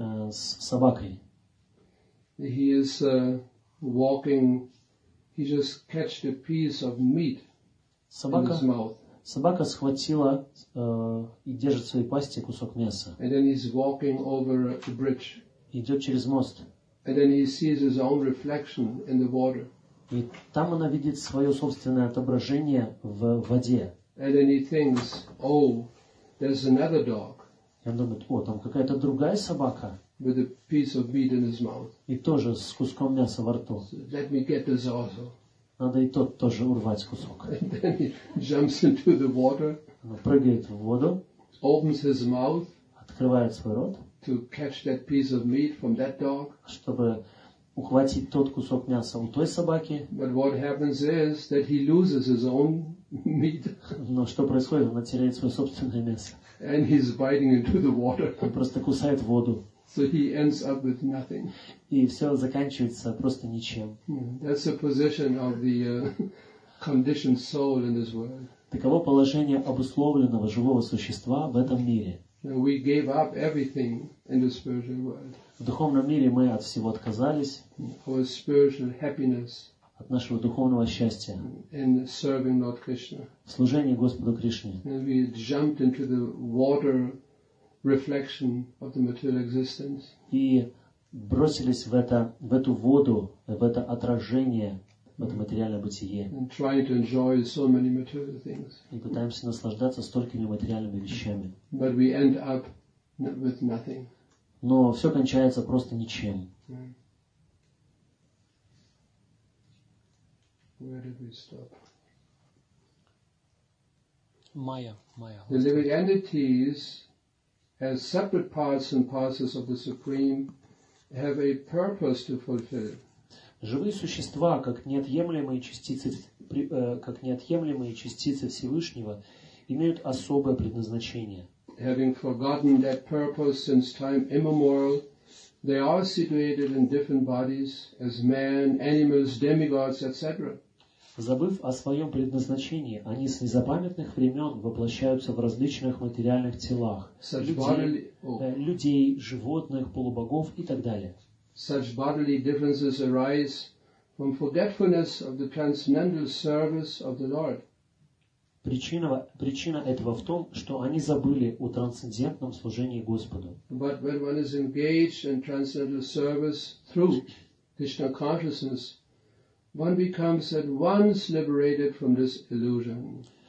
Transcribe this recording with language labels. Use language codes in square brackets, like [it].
[ru] С собакой. [en] He is walking. He just catched a piece of meat. [ru] Собака, [en] in his mouth. [ru] Собака схватила и держит в своей пасти кусок мяса. [en] And then he's walking over a bridge. [ru] Идет через мост. [en] And then he sees his own reflection in the water. [ru] И там она видит свое собственное отображение в воде. [en] And then he thinks, oh, there's another dog. [ru] И он думает, о, там какая-то другая собака. [en] With a piece of meat in his mouth. [ru] И тоже с куском мяса во рту. [en] So let me get this also. [ru] Надо и тот тоже урвать кусок. [en] And then he jumps into the water. [ru] Она прыгает в воду. [en] Opens his mouth. [ru] Открывает свой рот. [en] To catch that piece of meat from that dog. [ru] Чтобы ухватить тот кусок мяса у той собаки. [en] But what happens is that he loses his own meat. [ru] Но что происходит? Он теряет свое собственное мясо. [en] And he's biting into the water. [ru] Он просто кусает воду. [en] So he ends up with nothing. [ru] И все заканчивается просто ничем. [en] That's the position of the conditioned soul in this world. [ru] Таково положение обусловленного живого существа в этом мире. [en] We gave up everything in the spiritual world. [ru] В духовном мире мы от всего отказались. [en] Our spiritual happiness. [ru] От нашего духовного счастья. [en] In serving Lord Krishna. [ru] В служении Господу Кришне. [en] And we jumped into the water reflection of the material existence. [ru] И бросились в эту воду, в это отражение, в это материальное бытие. [en] And trying to enjoy so many material things. [ru] И пытаемся наслаждаться столькими материальными вещами. [en] But we end up with nothing. [ru] Но все кончается просто ничем. [en] Where did we stop? Maya. The living entities as separate parts and parcels of the Supreme have a purpose to fulfill. [ru] Живые существа, как неотъемлемые частицы Всевышнего, имеют особое предназначение. [en] Having forgotten that purpose since time immemorial, they are situated in different bodies as man, animals, demigods, etc. [ru] Забыв о своем предназначении, они с незапамятных времен воплощаются в различных материальных телах людей, животных, полубогов и так далее. [en] Such bodily differences arise from forgetfulness of the transcendental service of the Lord. [ru] Причина этого в том, что они забыли о трансцендентном служении Господу. [en] But when one is engaged in transcendental service through Krishna consciousness, one becomes at once liberated from this illusion.